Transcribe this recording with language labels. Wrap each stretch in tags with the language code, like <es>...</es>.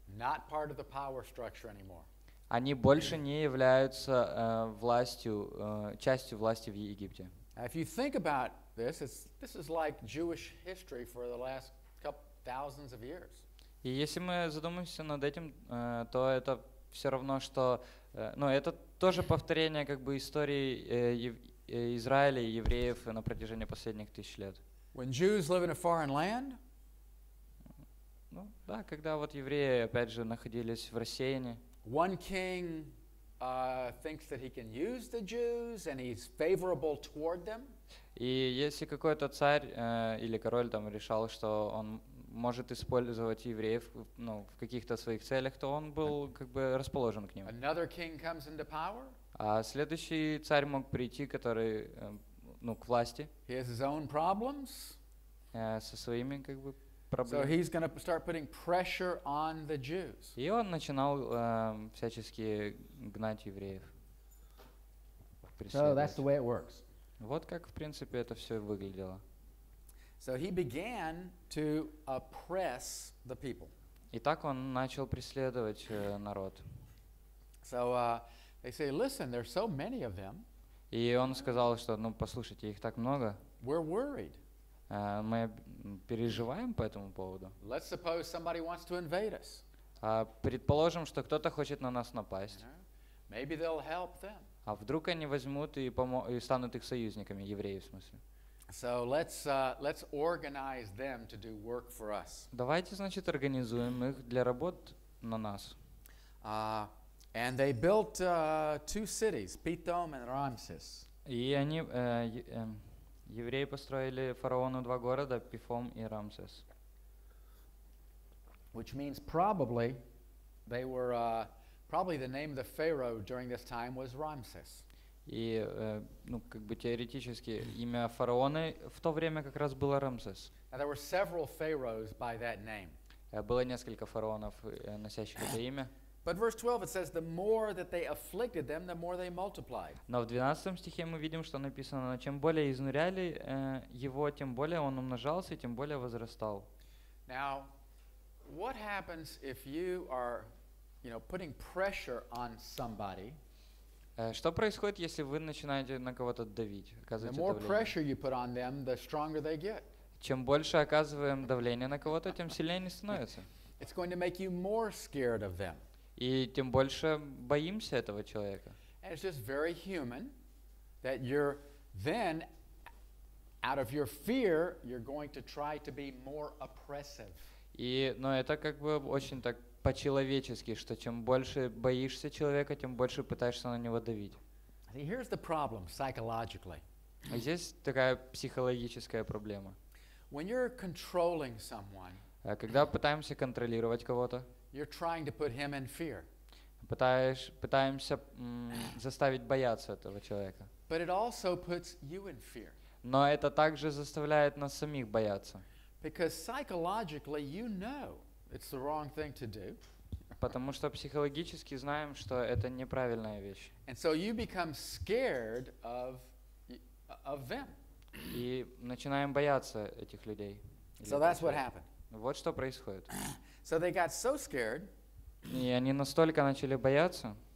<en>Not part of the power structure anymore.</en> <ru>Они больше не являются частью власти в Египте.</ru> <en>Now, if you think about this, this is like Jewish history for the last couple thousands of years.</en> <ru>И если мы задумаемся над этим, то это все равно, что но это тоже повторение как бы истории Израиля и евреев на протяжении последних тысяч лет.</ru> <en>When Jews live in a foreign land,</en> <ru>ну да, когда вот евреи опять же находились в рассеянии.</ru> <en>One king thinks that he can use the Jews and he's favorable toward them.</en> <ru>И если какой-то царь или король там решал, что он может использовать евреев, ну, в каких-то своих целях, то он был как бы расположен к ним.</ru> <en>Another king comes into power.</en> <ru>А следующий царь мог прийти, который, ну, к власти.</ru> <en>He has his own problems.</en> <ru>Со своими как бы проблемами.</ru> <en>So he's going to start putting pressure on the Jews.</en> <ru>И он начинал всячески гнать евреев.</ru> <en>So that's the way it works.</en> <ru>Вот как, в принципе, это все выглядело.</ru> <en>So he began to oppress the people.</en> <ru>И так он начал преследовать народ.</ru> <en>So they say, listen, there's so many of them.</en> <ru>И он сказал, что, ну, послушайте, их так много.</ru> <en>We're worried.</en> <ru>Мы переживаем по этому поводу.</ru> <en>Let's suppose somebody wants to invade us.</en> <ru>Предположим, что кто-то хочет на нас напасть.</ru> <en>Maybe they'll help them.</en> <ru>А вдруг они возьмут и станут их союзниками, евреи в смысле.</ru> <en>So let's organize them to do work for us.</en> <ru>Давайте, значит, организуем их для работ на нас.</ru> <en>And they built two cities, Pithom and Ramses.</en> <ru>И они евреи построили фараону два города, Пифом и Рамсес.</ru> <en>Which means probably they were probably the name of the pharaoh during this time was Ramses.</en> <ru>И, ну, как бы теоретически, имя фараона в то время как раз было Рамсес.</ru> <en>Now, there were several pharaohs by that name.</en> <ru>Было несколько фараонов, носящих это имя.</ru> <en>But verse 12, it says, the more that they afflicted them, the more they multiplied.</en> <ru>Но в 12 стихе мы видим, что написано, чем более изнуряли его, тем более он умножался, тем более возрастал.</ru> <en>Now, What happens if you are, you know, putting pressure on somebody?</en> <ru>Что происходит, если вы начинаете на кого-то давить, оказывать давление?</ru> <en>The more pressure you put on them, the stronger they get.</en> <ru>Чем больше оказываем давление на кого-то, тем сильнее они становятся.</ru> <en>It's going to make you more scared of them.</en> <ru>И тем больше боимся этого человека.</ru> <en>And it's just very human that you're then, out of your fear, you're going to try to be more oppressive.</en> <ru>И, но это как бы очень так по-человечески, что чем больше боишься человека, тем больше пытаешься на него давить.</ru> <en>See, here's the problem psychologically.</en> <ru>А здесь такая психологическая проблема.</ru> <en>When you're controlling someone,</en> <ru>когда пытаемся контролировать кого-то,</ru> <en>you're trying to put him in fear.</en> <ru>Пытаемся заставить бояться этого человека.</ru> <en>But it also puts you in fear.</en> <ru>Но это также заставляет нас самих бояться.</ru> <en>Because psychologically you know it's the wrong thing to do.</en> <ru>Потому что психологически знаем, что это неправильная вещь.</ru> <en>And so you become scared of them.</en> <ru>И начинаем бояться этих людей.</ru> <en>So that's what happened.</en> <ru>Вот что происходит.</ru> <en>So they got so scared.</en> <ru>И они настолько начали бояться.</ru>